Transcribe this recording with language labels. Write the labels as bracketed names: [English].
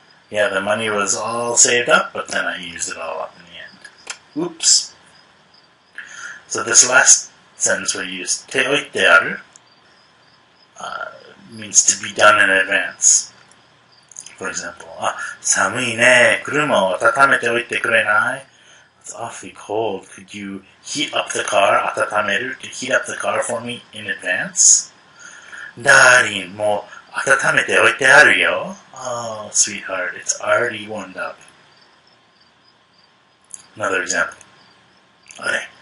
[English] Yeah, the money was all saved up, but then I used it all up in the end. Oops. So this last sentence where you use, ておいてある, means to be done in advance. For example, [Japanese] 寒いね。車を温めておいてくれない? [English] It's awfully cold. Could you heat up the car? 温める? To heat up the car for me in advance? [Japanese] ダーリン、もう温めておいてあるよ。 [English] Oh, sweetheart, it's already warmed up. Another example. あれ?